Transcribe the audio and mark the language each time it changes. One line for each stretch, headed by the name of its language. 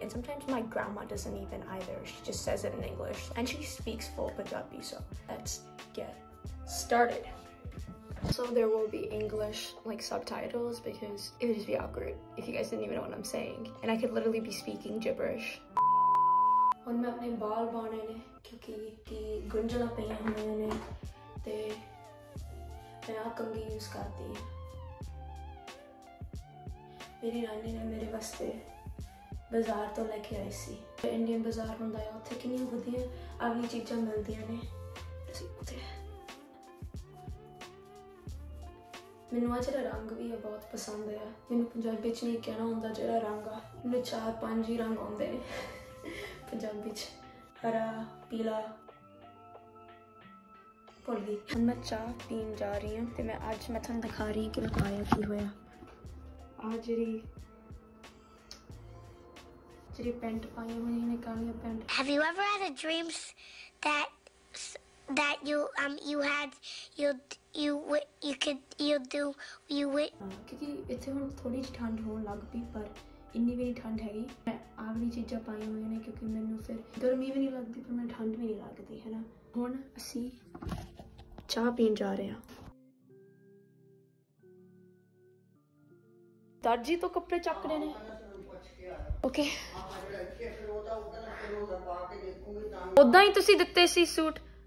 English: And sometimes my grandma doesn't even either. She just says it in English and she speaks full Punjabi. So let's get started. So there will be English like subtitles because it would just be awkward if you guys didn't even know what I'm saying. And I could literally be speaking gibberish.
Punjabi: ਹੁਣ ਮੈਂ ਆਪਣੇ ਬਾਲ ਬਣਾਏ ਨੇ ਕਿਉਂਕਿ ਕੀ ਗੁੰਝਲਾਂ ਪਈਆਂ ਹੋਈਆਂ ਨੇ ਤੇ ਮੈਂ ਆਹ ਕੰਘੀ ਯੂਜ਼ ਕਰਦੀ ਹਾਂ ਮੇਰੀ ਨਾਨੀ ਨੇ ਮੇਰੇ ਵਾਸਤੇ ਬਾਜ਼ਾਰ ਤੋਂ ਲੈ ਕੇ ਆਈ ਸੀ ਇੰਡੀਅਨ ਬਾਜ਼ਾਰ ਹੁੰਦਾ ਆ ਉੱਥੇ ਕਿੰਨੀਆਂ ਵਧੀਆ ਆਪਣੀ ਚੀਜ਼ਾਂ ਮਿਲਦੀਆਂ ਨੇ ਤੁਸੀਂ ਉੱਥੇ ਮੈਨੂੰ ਆ ਜਿਹੜਾ ਰੰਗ ਵੀ ਆ ਬਹੁਤ ਪਸੰਦ ਆ ਮੈਨੂੰ ਪੰਜਾਬੀ ਵਿੱਚ ਨਹੀਂ ਕਹਿਣਾ ਆਉਂਦਾ ਜਿਹੜਾ ਰੰਗ ਆ ਮੈਨੂੰ 4-5 ਹੀ ਰੰਗ ਆਉਂਦੇ ਨੇ ਪੰਜਾਬੀ 'ਚ ਹਰਾ ਪੀਲਾ ਭੁੱਲ ਗਈ ਹੁਣ ਮੈਂ ਚਾਹ ਪੀਣ ਜਾ ਰਹੀ ਹਾਂ ਅਤੇ ਮੈਂ ਤੁਹਾਨੂੰ ਦਿਖਾ ਰਹੀ ਹਾਂ ਕਿ ਮੈਂ ਪਾਇਆ ਕੀ ਹੋਇਆ ਆਹ ਜਿਹੜੀ ਪੈਂਟ ਪਾਈ ਹੋਈ ਨੇ ਕਾਲੀਆਂ pant
English: Have you ever had a dreams that
Punjabi: ਦਰਜੀ ਤੋਂ ਕੱਪੜੇ ਚੱਕਣੇ ਨੇ ਓਕੇ ਓਦਾਂ ਹੀ ਤੁਸੀਂ ਦਿੱਤੇ ਸੀ ਸੂਟ